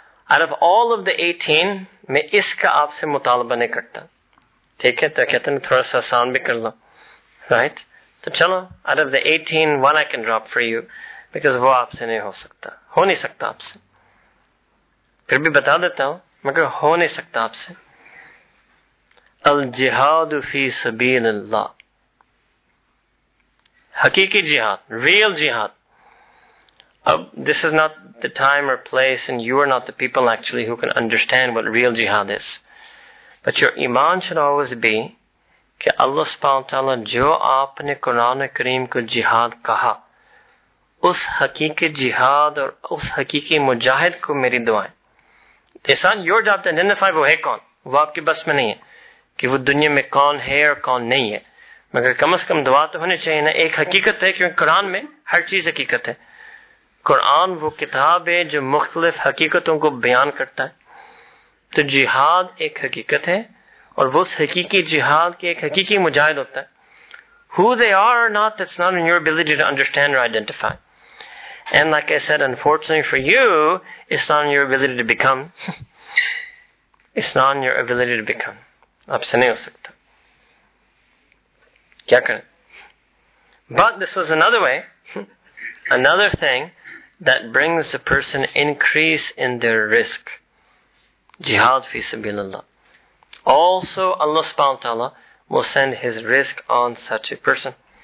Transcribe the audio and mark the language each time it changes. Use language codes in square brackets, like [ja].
[en] Out of all of the 18, [ur] میں اس کا آپ سے مطالبہ نہیں کرتا. ٹھیک ہے, تو کہتے ہیں تھوڑا سا آسان بھی کر لو. [en] Right? [ur] تو چلو, [en] out of the 18, one I can drop for you. [ur] Because وہ آپ سے نہیں ہو سکتا. ہو نہیں سکتا آپ سے. پھر بھی بتا دیتا ہوں. مگر ہو نہیں سکتا آپ سے. الجہاد فی سبیل اللہ, حقیقی جہاد, ریئل جہاد. [en] اب this is not the time اور place and you are not the people actually who can understand what real جہاد is, but your ایمان should always be [ur] کہ اللہ سبحانہ وتعالی جو آپ نے قرآن کریم کو جہاد کہا, اس حقیقی جہاد اور اس حقیقی مجاہد کو میری دعائیں. احسان [en] your job to identify [ur] وہ ہے کون, وہ آپ کے بس میں نہیں ہے کہ وہ دنیا میں کون ہے اور کون نہیں ہے, مگر کم از کم دعا تو ہونی چاہیے نا. ایک حقیقت ہے کیونکہ قرآن میں ہر چیز حقیقت ہے. قرآن وہ کتاب ہے جو مختلف حقیقتوں کو بیان کرتا ہے. تو جہاد ایک حقیقت ہے اور وہ اس حقیقی جہاد کے ایک حقیقی مجاہد ہوتا ہے. [en] Who they are or not, that's not in your ability to understand or identify. And like I said, unfortunately for you, it's not in your ability to become. It's not in your ability to become. [ur] آپ سے نہیں ہو سکتا, کیا کریں. [en] But this was another way, another thing that brings a person increase in their risk. Jihad fi sabilillah. Also, Allah subhanahu wa ta'ala will send his risk on such a person.